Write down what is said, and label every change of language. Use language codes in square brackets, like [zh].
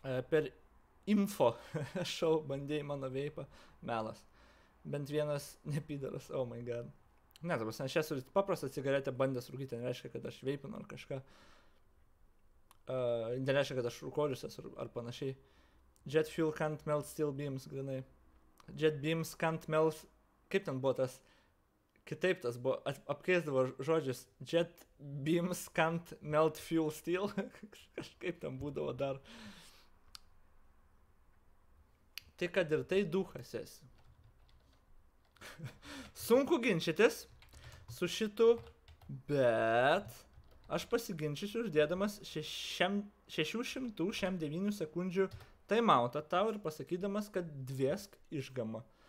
[lt] Per info šau bandėjai mano veipą, melas. Bent vienas nepydaras, [en] oh my god. [lt] Ne, ta prasme, aš esu paprastą cigaretę bandęs rūkyti, nereiškia, kad aš veipinu ar kažką. Nereiškia, kad aš rūkorius esu ar panašiai. [en] Jet fuel can't melt steel beams, grinai. Jet beams can't melt... [lt] Kaip ten buvo tas? Kitaip tas buvo, apkeisdavo žodžius. [en] Jet beams can't melt fuel steel. [lt] Kažkaip ten būdavo dar. Tai kad ir tai duchas esi. Sunku ginčytis su šitu, bet aš pasiginčysiu uždėdamas 669 sekundžių timeoutą tau ir pasakydamas, kad dviesk išgama.